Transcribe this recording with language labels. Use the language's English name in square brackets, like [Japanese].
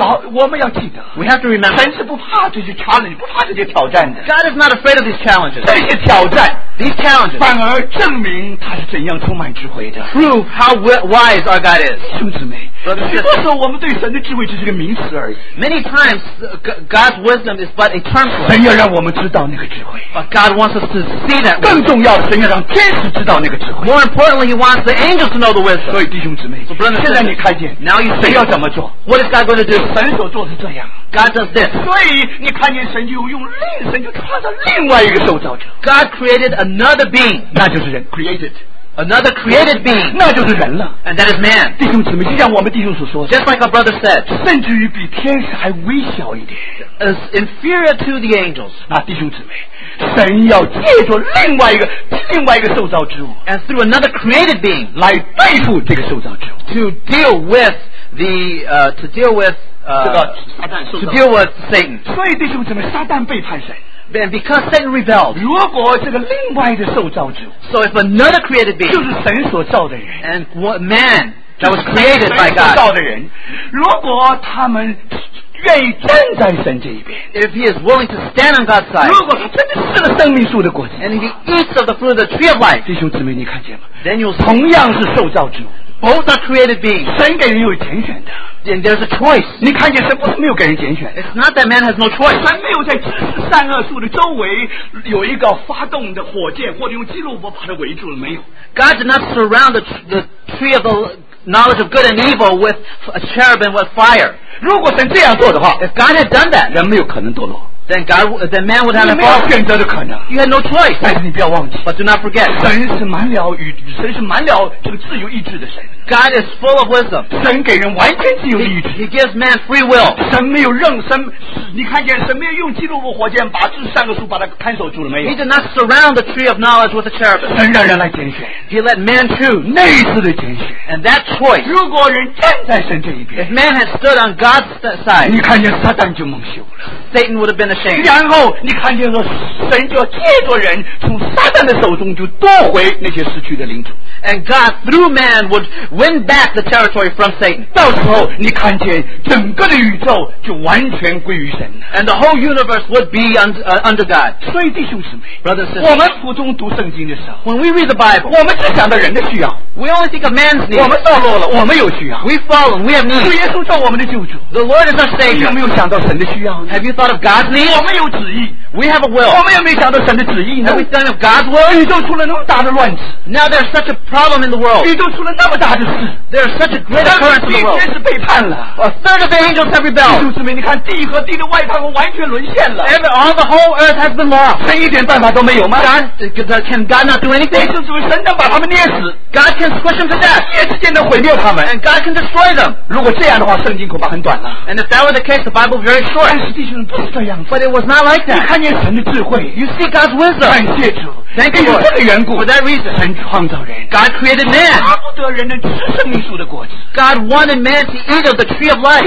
[Chinese] 我们要记得， [English] we have to remember, [Chinese] 神是不怕这些 challenge, 不怕这些挑战的。 [English] God is not afraid of these challenges. [Chinese] 这些挑战， [English] these challenges, [Chinese] 反而证明他是怎样充满智慧的。 [English] Prove how wise our God is. [Chinese] 弟兄姊妹，许多时候我们对神的智慧只是个名词而已。 [English] Many times God's wisdom is but a term for it. [Chinese] 神要让我们知道那个智慧。 [English] But God wants us to see that. [Chinese] 更重要的，神要让天使知道那个智慧。 [English] More importantly, he wants the angels to know the wisdom. [Chinese] 所以弟兄姊妹， [English] so brothers, [Chinese] 现在你看见， [English] now you see, [Chinese] 神要怎么做？ [English] What is God going to do? [Chinese] 神所做是这样。 [English] God does this. [Chinese] 所以你看见神就用另，神就创造另外一个受造者。 [English] God created another being. [Chinese] 那就是人。Created. [English] Another created being, [Chinese] 那就是人了。 [English] And that is man. [Chinese] 弟兄姊妹，就像我们弟兄所说的， [English] just like our brother said, [Chinese] 甚至于比天使还微小一点， [English] is inferior to the angels. [Chinese] 那弟兄姊妹，神要借助另外一个受造之物， [English] and through another created being, [Chinese] 来对付这个受造之物， [English] to deal with the to deal with Satan. [Chinese] 所以弟兄姊妹，撒旦背叛神。 [English] Then because Satan rebelled, [Chinese] 如果这个另外的受造主， [English] so if another created being, [Chinese] 就是神所造的人， [English] and what man that was created by God, [Chinese] 神所造的人，如果他们愿意站在神这一边， [English] if he is willing to stand on God's side, [Chinese] 如果他真的吃了生命树的果子， [English] and he eats of the fruit of the tree of life, [Chinese] 弟兄姊妹你看见吗？ [English] Then you'll [Chinese] see, 同样是受造主， [English] both are created beings, [Chinese] 神给人有拣选的。 [English] And there's a choice. [Chinese] 你看见神不是没有给人拣选。 [English] It's not that man has no choice. [Chinese] 神没有在知识善恶树的周围有一个发动的火箭或者用基路伯把它围住了，没有。 [English] God did not surround the tree of the knowledge of good and evil with a cherubim with fire. [Chinese] 如果神这样做的话， [English] if God had done that, [Chinese] 人没有可能堕落。 [English] Then God, then man would have a choice. [Chinese] 你没有选择的可能。 [English] You had no choice. [Chinese] 但是你不要忘记。 [English] But do not forget. [Chinese] 神是满了这个自由意志的神。 [English] God is full of wisdom. [Chinese] 神给人完全自由的意志。 [English] He gives man free will. [Chinese] 神没有任神，你看见神没有用基督的火箭把这三个树把它看守住了没有 [English] ？He did not surround the tree of knowledge with a cherubim. [Chinese] 神让人来拣选。 [English] He let man choose. [Chinese] 那一次的拣选。 [English] And that choice. [Chinese] 如果人站在神这一边 [English] ，If man had stood on God's side, [Chinese] 你看见撒旦就蒙羞了。 [English] Satan would have been ashamed. [Chinese] 然后你看见了神就借着人从撒旦的手中就夺回那些失去的领土。 [English] And God through man would win back the territory from Satan. [Chinese] 到时候你看见整个的宇宙就完全归于神了。 [English] And the whole universe would be under God. [Chinese] 所以弟兄姊妹 [English] Brothers and [Chinese] sisters, 我们普通读圣经的时候 [English] When we read the Bible, [Chinese] 我们只想到人的需要 [English] We only think of man's need. [Chinese] 我们堕落了我们有需要 [English] We've fallen, we have need. [Chinese] 主耶稣做我们的救主 [English] The Lord is our Savior. [Chinese] 你有没有想到神的需要呢 [English] Have you thought of God's need? [Chinese] 我们有旨意 [English] We have a will. [Chinese] 我们有没有想到神的旨意呢 [English] Have we thought of God's will? [Chinese] 宇宙出了那么大的乱子 [English] Now there's such aproblem in the world. There are such a great occurrence in the world. [Chinese] 是背叛了 [English] A third of the angels have rebelled. [Chinese] 弟兄姊妹，你看地和地的外邦完全沦陷了 [English] And all the whole earth has been lost. [Chinese] 神一点办法都没有吗 [English] God, can God not do anything? [Chinese] 弟兄姊妹，神能把他们捏死 [English] God can squish them to death. [Chinese] 一夜之间能毁掉他们 [English] And God can destroy them. [Chinese] 如果这样的话，圣经恐怕很短了 [English] And if that were the case, the Bible very short. [Chinese] 但是弟兄不是这样 [English] But it was not like that. [Chinese] 你看见神的智慧 [English] You see God's wisdom. [Chinese] 感谢主 [English] Thank you, Lord. [Chinese] 这个缘故 [English] For that reason, [Chinese] 神创造人 [English] God created man. [Chinese] 巴不得人能吃生命树的果子 [English] God wanted man to eat of the tree of life.